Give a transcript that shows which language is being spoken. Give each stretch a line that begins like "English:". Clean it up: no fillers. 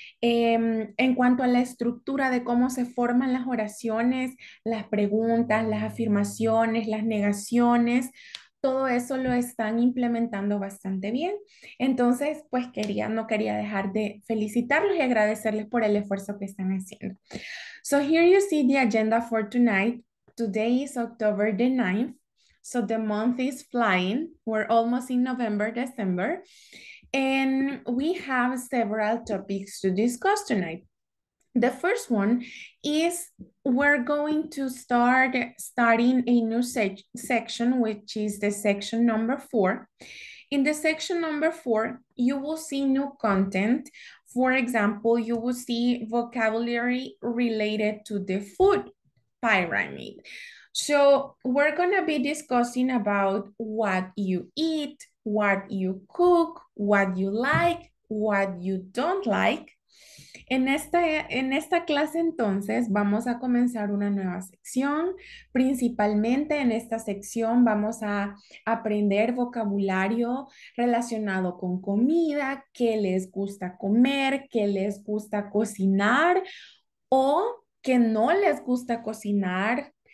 Spanish: En cuanto a la estructura de cómo se forman las oraciones, las preguntas, las afirmaciones, las negaciones, todo eso lo están implementando bastante bien. Entonces, pues no quería dejar de felicitarlos y agradecerles por el esfuerzo que están haciendo.
English: So here you see the agenda for tonight. Today is October the 9th. So the month is flying. We're almost in November, December. And we have several topics to discuss tonight. The first one is we're going to starting a new section, which is the section number 4. In the section number 4, you will see new content. For example, you will see vocabulary related to the food pyramid. So we're going to be discussing about what you eat, what you cook, what you like, what you don't like.
Spanish: En esta clase entonces vamos a comenzar una nueva sección. Principalmente en esta sección vamos a aprender vocabulario relacionado con comida, qué les gusta comer, qué les gusta cocinar o qué no les gusta cocinar.